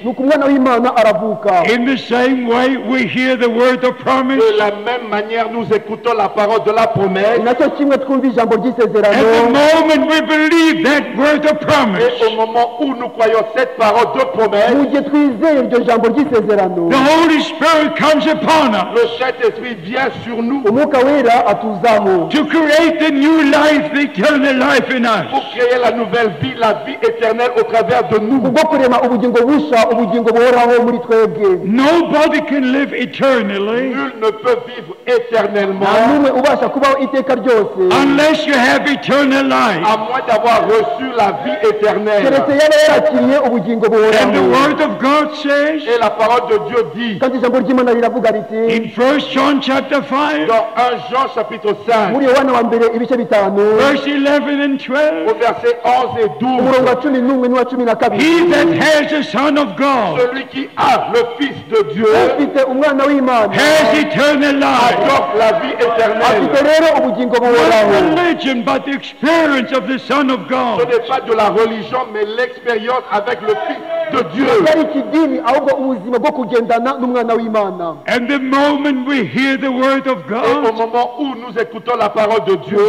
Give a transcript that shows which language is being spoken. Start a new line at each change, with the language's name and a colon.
English: In the same way we hear the word of promise.
French: De la même manière nous écoutons la parole de la promesse.
English: And the moment we believe that word of promise.
French: Et au moment où nous croyons cette parole de promesse.
English: The Holy Spirit comes upon us.
French: Le Saint-Esprit vient sur nous.
English: To create the new life, the eternal life in us.
French: Pour créer la nouvelle vie, la vie éternelle au travers de nous. Pour créer
Kinyarwanda: ubugingo busha, ubugingo buhoraho muri twebwe.
English: Nobody can live eternally.
French: Nul ne peut vivre éternellement.
Kinyarwanda: Nta numwe ubasha kubaho iteka ryose.
English: Unless you have eternal life.
French: À moins d'avoir reçu la vie éternelle.
Kinyarwanda: Kereke yale yarakiriye ubugingo buhoraho.
English: And the word of God says.
French: Et la parole de Dieu dit.
Kinyarwanda: Kandi ijambo ry'Imana riravuga riti.
English: In 1 John chapter 5.
French: Dans 1 Jean chapitre 5
English: verse 11 and 12 he that has the Son of God
French: celui qui a le Fils de Dieu
English: has eternal life adore
French: la vie éternelle
English: not religion but the experience of the Son of God
French: ce n'est pas de la religion mais l'expérience avec le Fils de Dieu.
English: And the moment we hear the word of God,
French: et au moment où nous écoutons la parole de Dieu,